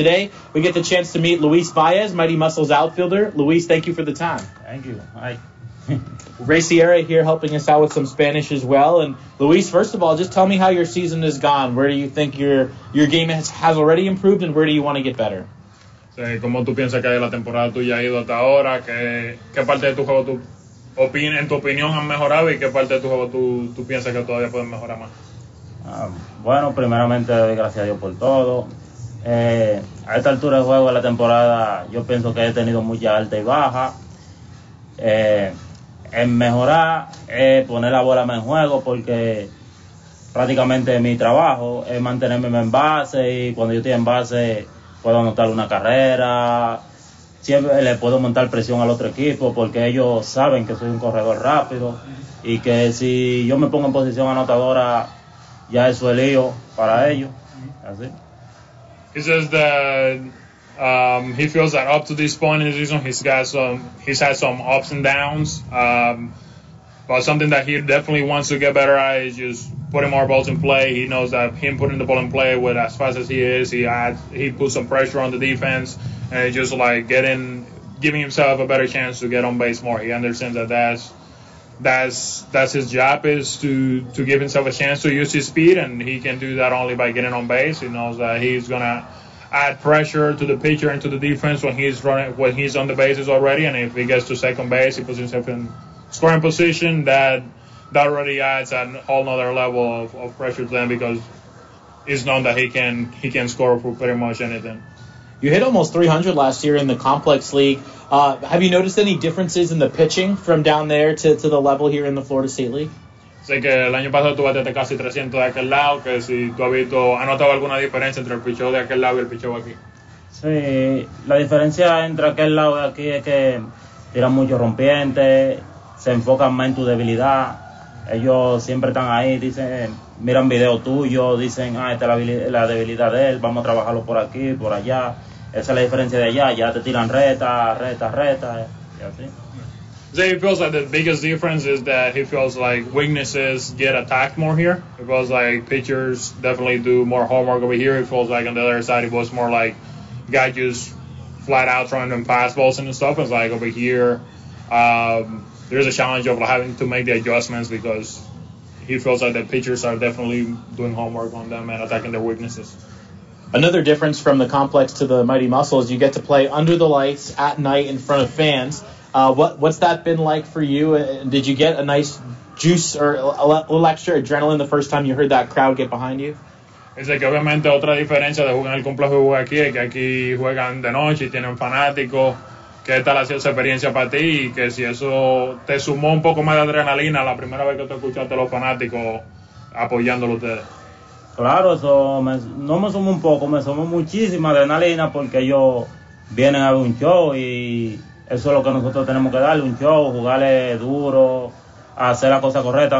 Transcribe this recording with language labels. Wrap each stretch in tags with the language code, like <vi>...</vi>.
<en>Today, we get the chance to meet Luis Baez, Mighty Muscles outfielder. Luis, thank you for the time. Thank you. Hi. Ray Sierra here helping us out with some Spanish as well. And Luis, first of all, just tell me how your season has gone. Where do you think your game has already improved, and where do you want to get better?</en> <es>¿Cómo tú piensas que la temporada tuya ha ido hasta ahora? ¿Qué parte de tu juego, en tu opinión, han mejorado, y qué parte de tu juego tú piensas que todavía pueden mejorar más? Bueno, primeramente doy gracias a Dios por todo. A esta altura de juego de la temporada, yo pienso que he tenido mucha alta y baja. En mejorar es poner la bola más en juego, porque prácticamente mi trabajo es mantenerme en base, y cuando yo estoy en base puedo anotar una carrera, siempre le puedo montar presión al otro equipo, porque ellos saben que soy un corredor rápido y que si yo me pongo en posición anotadora, ya eso es lío para ellos. Así.</es> <en>He says that he feels that up to this point in the season, he's had some ups and downs. But something that he definitely wants to get better at is just putting more balls in play. He knows that him putting the ball in play with as fast as he is, he puts some pressure on the defense, and just like giving himself a better chance to get on base more. He understands that that's his job, is to give himself a chance to use his speed, and he can do that only by getting on base. He knows that he's gonna add pressure to the pitcher and to the defense when he's on the bases already, and if he gets to second base, he puts himself in scoring position, that already adds a whole nother level of pressure to them, because it's known that he can score for pretty much anything. You hit almost 300 last year in the Complex League. Have you noticed any differences in the pitching from down there to the level here in the Florida State League?</en> <es>Sé que el año pasado tú bateaste casi 300 de aquel lado, que si tú has notado alguna diferencia entre el picheo de aquel lado y el picheo aquí. Sí, la diferencia entre aquel lado y aquí es que tiran mucho rompiente. Se enfocan más en tu debilidad. Ellos siempre están ahí, dicen, miran videos tuyos, dicen, ah, esta es la debilidad de él, vamos a trabajarlo por aquí, por allá. Esa es la diferencia de allá, ya te tiran reta, y así.</es> <en>Say, he feels like the biggest difference is that he feels like weaknesses get attacked more here. He feels like pitchers definitely do more homework over here. He feels like on the other side, it was more like guys just flat out throwing them fastballs and stuff. It's like over here, there's a challenge of having to make the adjustments, because he feels like the pitchers are definitely doing homework on them and attacking their weaknesses. Another difference from the Complex to the Mighty Muscles, you get to play under the lights at night in front of fans. What's that been like for you? Did you get a nice juice or a little extra adrenaline the first time you heard that crowd get behind you?</en> <es>Es que obviamente otra diferencia de jugar en el complejo de aquí es que aquí juegan de noche y tienen fanáticos. ¿Qué tal ha sido esa experiencia para ti? Y que si eso te sumó un poco más de adrenalina la primera vez que te escuchaste a los fanáticos apoyándolo a ustedes. Claro, eso no me sumó un poco, me sumó muchísima adrenalina, porque ellos vienen a ver un show y eso es lo que nosotros tenemos que darle, un show, jugarle duro, hacer la cosa correcta.</es>